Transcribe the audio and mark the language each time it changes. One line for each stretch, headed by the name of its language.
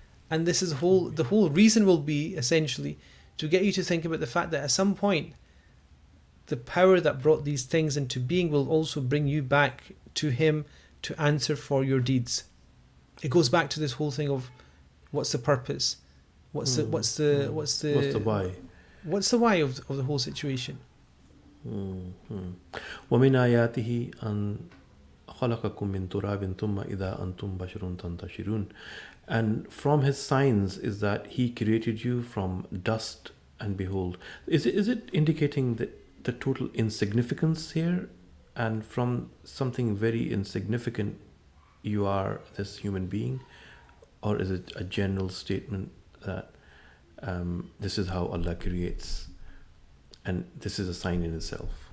English: And this is the whole reason will be essentially to get you to think about the fact that at some point the power that brought these things into being will also bring you back to him to answer for your deeds. It goes back to this whole thing of what's the purpose, what's the why of the whole situation.
Arabic: ومن آياته أن خلقكم من تراب ثم إذا أنتم بشر تنتشرون.
English: And from his signs is that he created you from dust, and behold, is it indicating the total insignificance here And from something very insignificant, you are this human being? Or is it a general statement that this is how Allah creates and this is a sign in itself?